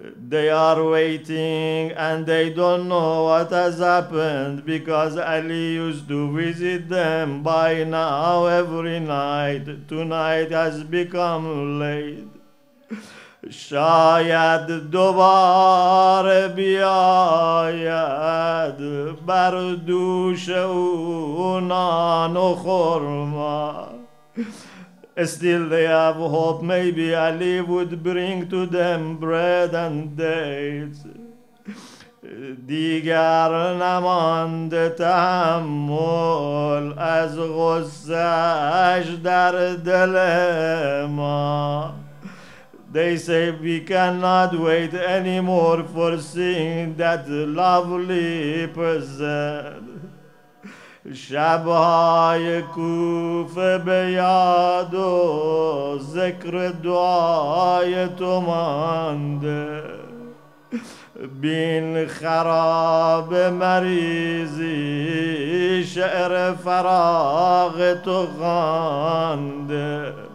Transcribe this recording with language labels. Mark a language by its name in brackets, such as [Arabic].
[English] They are waiting and they don't know what has happened, because Ali used to visit them by now every night. Tonight has become late. [Persian] شاید دوباره بیاید بر دوش او نان و خرما. [English] Still they have hope, maybe Ali would bring to them bread and dates. [Persian] دیگر نمانده تحمل از غصه‌اش در دل ما. [English] They say we cannot wait anymore for seeing that lovely person. [Persian] شبهای کوف بیاد و ذکر دعای تو مانده. بین خراب مریضی شعر فراغ تو خانده.